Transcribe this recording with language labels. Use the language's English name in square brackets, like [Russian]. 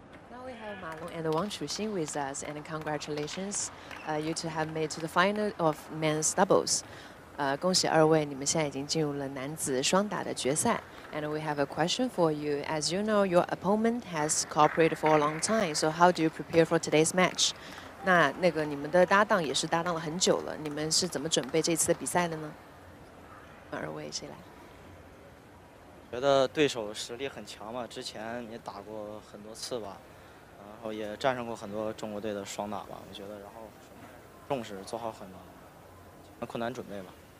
[English] Malone and Wang Chuxing with us, and congratulations, you two have made to the final of men's doubles. [Chinese] 恭喜二位，你们现在已经进入了男子双打的决赛。 [English] And we have a question for you. As you know, your opponent has cooperated for a long time. So how do you prepare for today's match? [Chinese] 那个你们的搭档也是搭档了很久了，你们是怎么准备这次的比赛的呢？二位谁来？觉得对手实力很强嘛，之前也打过很多次吧，然后也战胜过很多中国队的双打吧，我觉得然后重视做好很多困难准备吧。